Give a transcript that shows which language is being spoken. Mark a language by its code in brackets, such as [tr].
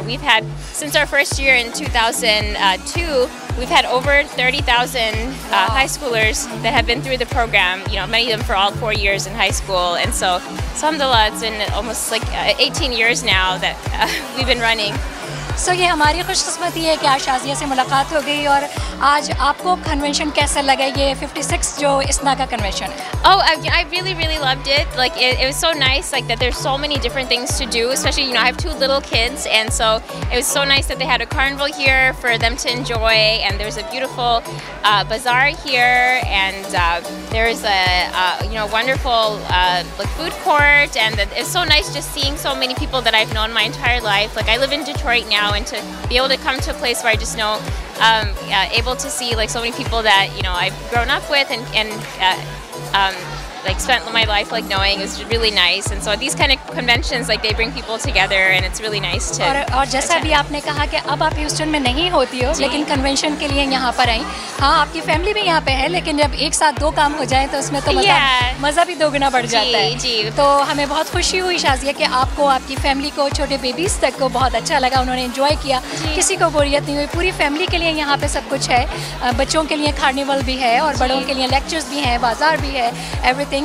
[en] We've had, since our first year in 2002, we've had over 30,000 high schoolers that have been through the program, you know, many of them for all 4 years in high school. And so, alhamdulillah, it's been almost like 18 years now that we've been running. [hi] So, ये हमारी खुशकिस्मती है कि आज शाजिया से मुलाकात हो गई, और आज आपको कन्वेंशन कैसा लगा, ये 56 जो इस्ना का कन्वेंशन है? [en] Oh, I really, really loved it. Like, it was so nice, like, that there's so many different things to do, especially, you know, I have two little kids, and so it was so nice that they had a carnival here for them to enjoy, and there's a beautiful bazaar here, and there's a, you know, wonderful like food court, and it's so nice just seeing so many people that I've known my entire life. Like, I live in Detroit now, and to be able to come to a place where I just know, able to see like so many people that, you know, I've grown up with and spent my life like knowing, is really nice. And so these kind of conventions, like, they bring people together, and it's really nice to. [hi] और जैसा भी आपने कहा कि अब आप Houston में नहीं होती हो, लेकिन कन्वेंशन के लिए यहाँ पर आई, हाँ आपकी फैमिली भी यहाँ पे है, लेकिन जब एक साथ दो काम हो जाए तो उसमें तो मज़ा भी दोगुना बढ़ जाता है। जी, तो हमें बहुत खुशी हुई शाजिया कि आपको, आपकी फैमिली को, छोटे बेबीज तक को बहुत अच्छा लगा, उन्होंने इन्जॉय किया, किसी को बोरियत नहीं हुई, पूरी फैमिली के लिए यहाँ पर सब कुछ है, बच्चों के लिए कार्निवल भी है और बड़ों के लिए लेक्चर्स भी हैं, बाजार भी है, एवरीथिंग।